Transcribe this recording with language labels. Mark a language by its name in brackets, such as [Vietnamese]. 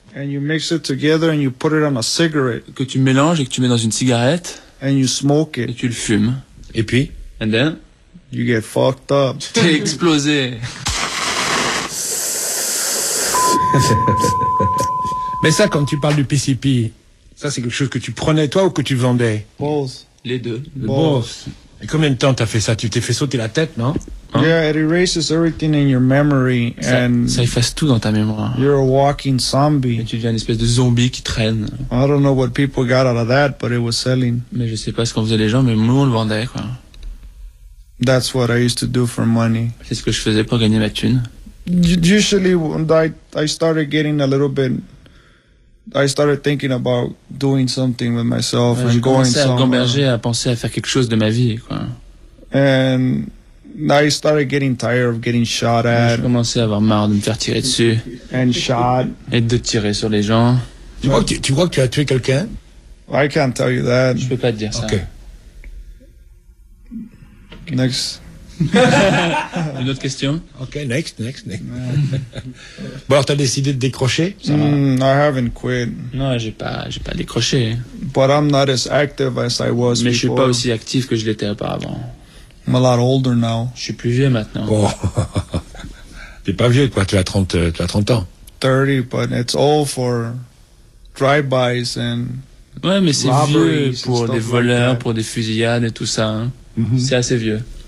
[English] And you mix it together and you put it on a cigarette. [French] Que tu mélanges et que tu mets dans une cigarette. [English] And you smoke it. [French] Et tu le fumes. Et puis? [English] And then? You get fucked up. [French] Tu t'es explosé. Mais ça, quand tu parles du PCP, ça, c'est quelque chose que tu prenais, toi, ou que tu vendais? [English] Both. [French] Les deux. [English] Both. [French] Et combien de temps t'as fait ça? Tu t'es fait sauter la tête, non? [English] Hein? Yeah, it erases everything in your memory. [French] Ça efface tout dans ta mémoire. [English] You're a walking zombie. [French] Et tu deviens une espèce de zombie qui traîne. [English] I don't know what people got out of that, but it was selling. [French] Mais je sais pas ce qu'en faisaient les gens, mais nous, on le vendait, quoi. [English] That's what I used to do for money. [French] C'est ce que je faisais pour gagner ma thune. [English] Usually, I started getting a little bit... I started thinking about doing something with myself and going somewhere. [French] J'ai commencé à gamberger, à penser à faire quelque chose de ma vie, quoi. [English] And I started getting tired of getting shot at. [French] J'ai commencé à avoir marre de me faire tirer dessus. [English] And shot. [French] Et de tirer sur les gens. Tu crois que tu as tué quelqu'un? [English] I can't tell you that. [French] Je peux pas te dire ça. [English] Okay. Next. [French] Une autre question? [English] Ok, next. [French] Bon, t'as décidé de décrocher? [English] I haven't quit. [French] Non, j'ai pas décroché. [English] But I'm not as active as I was [French] Mais [English] before. [French] Je suis pas aussi actif que je l'étais auparavant. [English] I'm a lot older now. [French] Je suis plus vieux maintenant. Oh. T'es pas vieux, quoi. Tu as 30 ans. [English] 30, but it's all for drive-bys and [French] Ouais, mais c'est vieux pour des voleurs, [English] like [French] pour des fusillades et tout ça. Hein. Mm-hmm. C'est assez vieux.